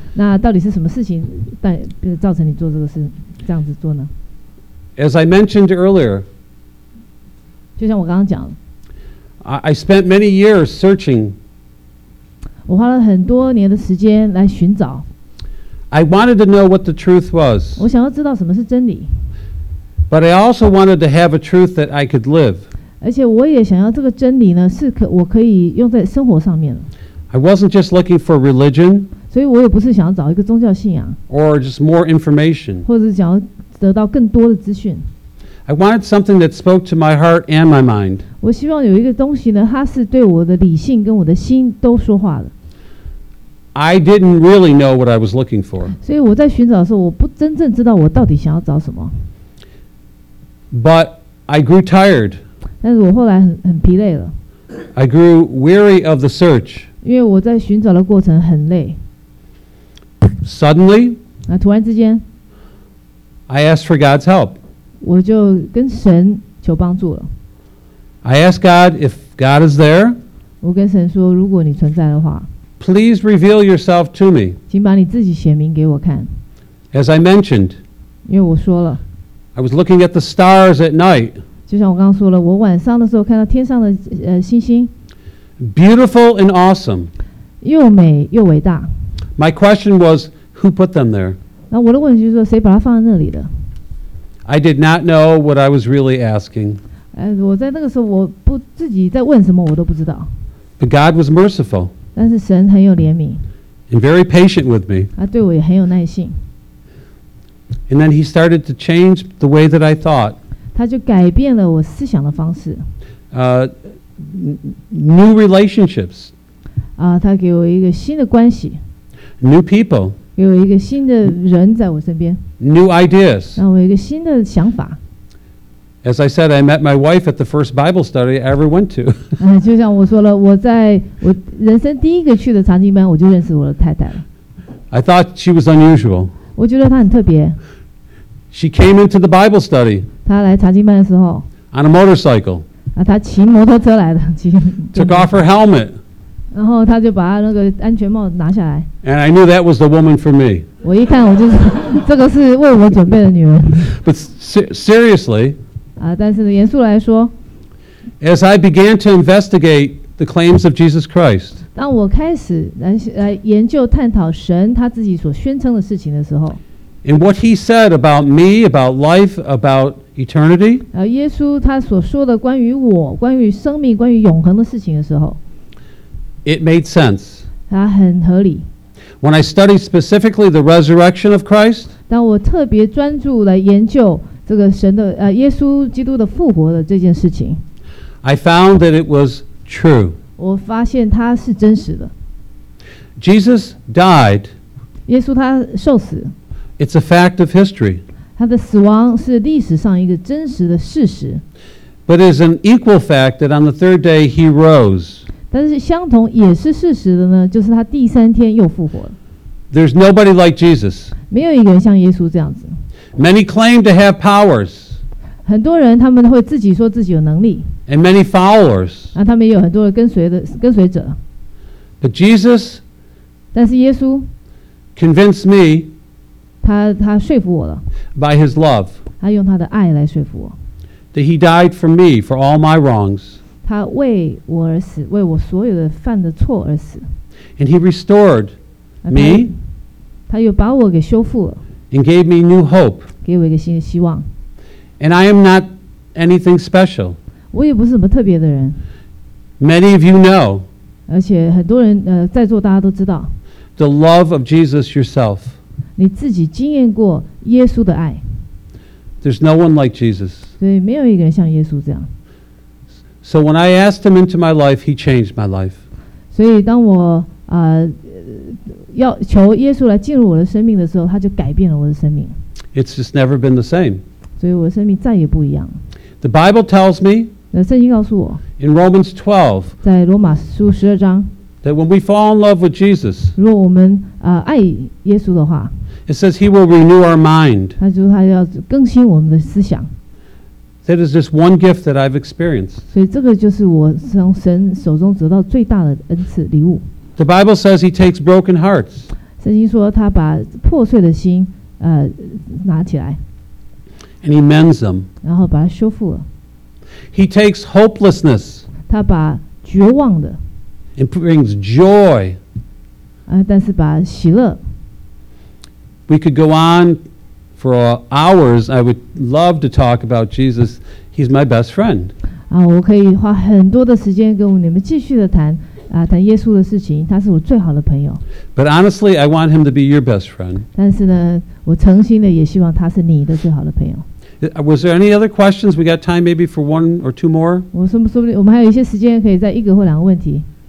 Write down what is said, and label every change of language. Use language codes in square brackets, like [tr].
[zh] 那到底是什么事情造成你做这个事，这样子做呢 [en] ？As I mentioned earlier， [zh] 就像我刚刚讲 [en] ，I spent many years searching。 [zh] 我花了很多年的时间来寻找。 [en] I wanted to know what the truth was. [zh] 我想要知道什么是真理。 [en] But I also wanted to have a truth that I could live. [zh] 而且我也想要这个真理呢，是我可以用在生活上面。 [en] I wasn't just looking for religion. [zh] 所以我也不是想要找一个宗教信仰。 [en] Or just more information. [zh] 或者是想要得到更多的资讯。 [en] I wanted something that spoke to my heart and my mind. [zh] 我希望有一个东西呢，它是对我的理性跟我的心都说话的。 [en] I didn't really know what I was looking for. [zh] 所以我在寻找的时候，我不真正知道我到底想要找什么。 [en] But I grew tired. [zh] 但是我后来很疲累了。 [en] I grew weary of the search. [zh] 因为我在寻找的过程很累。 [en] Suddenly, [zh] 突然之间， [en] I asked for God's help. [zh] 我就跟神求帮助了。 [en] I asked God if God is there. [zh] 我跟神说，如果你存在的话。 [en] Please reveal yourself to me. [zh] 请把你自己显明给我看。 [en] As I mentioned, [zh] 因为我说了， [en] I was looking at the stars at night. [zh] 就像我刚刚说了，我晚上的时候看到天上的星星。 [en] Beautiful and awesome. [zh] 又美又伟大。 [en] My question was, who put them there? [zh] 那我的问题就是说，谁把它放在那里的？ [en] I did not know what I was really asking. [zh] 我在那个时候，我不自己在问什么，我都不知道。 [en] But God was merciful. [zh] 但是神很有怜悯 [en] ，and very patient with me. [zh] 他对我也很有耐心。 [en] And then he started to change the way that I thought. [zh] 他就改变了我思想的方式。 [en] New relationships. [zh] 他给我一个新的关系。 [en] New people. [zh] 给我一个新的人在我身边。 [en] New ideas. [zh] 让我一个新的想法。 [en] As I said, I met my wife at the first Bible study I ever went to. [zh] 就像我说了，我在我人生第一个去的查经班，我就认识我的太太了。 [en] I thought she was unusual. [zh] 我觉得她很特别。 [en] She came into the Bible study. [zh] 她来查经班的时候。 [en] On a motorcycle. [zh] 她骑摩托车来的。 [en] Took off her helmet. [zh] 然后她就把她那个安全帽拿下来。 [en] And I knew that was the woman for me. [zh] 我一看，我就是这个是为我准备的女人。 [en] But seriously. [zh] 但是呢，严肃来说 [en] ，As I began to investigate the claims of Jesus Christ， [zh] 当我开始 来研究探讨神他自己所宣称的事情的时候 [en] ，In what he said about me, about life, about eternity， [zh] 耶稣他所说的关于我、关于生命、关于永恒的事情的时候 [en] ，It made sense， [zh] 它很合理。 [en] When I studied specifically the resurrection of Christ， [zh] 当我特别专注来研究这个神的耶稣基督的复活的这件事情 [en] ，I found that it was true。 [zh] 我发现它是真实的。 [en] Jesus died。 [zh] 耶稣他受死。 [en] It's a fact of history。 [zh] 他的死亡是历史上一个真实的事实。 [en] But it is an equal fact that on the third day he rose。 [zh] 但是相同也是事实的呢，就是他第三天又复活了。 [en] There's nobody like Jesus。 [zh] 没有一个人像耶稣这样子。 [en] Many claim to have powers. [zh] 很多人他们会自己说自己有能力。 [en] And many followers. [zh] 那他们也有很多的跟随者。 [en] But Jesus. [zh] 但是耶稣。 [en] Convinced me. [zh] 他说服我了。 [en] By his love. [zh] 他用他的爱来说服我。 [en] That he died for me for all my wrongs. [zh] 他为我而死，为我所有的犯的错而死。 [en] And he restored me. [zh] 他又把我给修复了。 [en] And gave me new hope. [zh] 给我一个新的希望。 [en] And I am not anything special. [zh] 我也不是什么特别的人。 [en] Many of you know. [zh] 而且很多人在座大家都知道。 [en] The love of Jesus yourself. [zh] 你自己经验过耶稣的爱。 [en] There's no one like Jesus. [zh] 对，没有一个人像耶稣这样。 [en] So when I asked him into my life, he changed my life. [zh] 所以当我要求耶稣来进入我的生命的时候，他就改变了我的生命。 [en] It's just never been the same. [zh] 所以我的生命再也不一样。 [en] The Bible tells me. [zh] 圣经告诉我。 [en] In Romans 12. [zh] 在罗马书十二章。 [en] That when we fall in love with Jesus. [zh] 如果我们爱耶稣的话。 [en] It says he will renew our mind. [zh] 他就是他要更新我们的思想。 [en] That is just one gift that I've experienced. [zh] 所以这个就是我从神手中得到最大的恩赐礼物。 [en] The Bible says he takes broken hearts. [zh] 圣经说他把破碎的心拿起来。 [en] And he mends them. [zh] 然后把它修复了。 [en] He takes hopelessness. [zh] 他把绝望的。 [en] And brings joy. [zh] 但是把喜乐。 [en] We could go on for hours. I would love to talk about Jesus. He's my best friend. [zh] 我可以花很多的时间跟你们继续的谈。谈耶稣的事情，他是我最好的朋友。 [en] But honestly, I want him to be your best friend. [zh] 但是呢，我诚心的也希望他是你的最好的朋友。 [en] Was there any other questions? We got time maybe for one or two more. [zh] 我们还有一些时间，可以再一个或两个问题。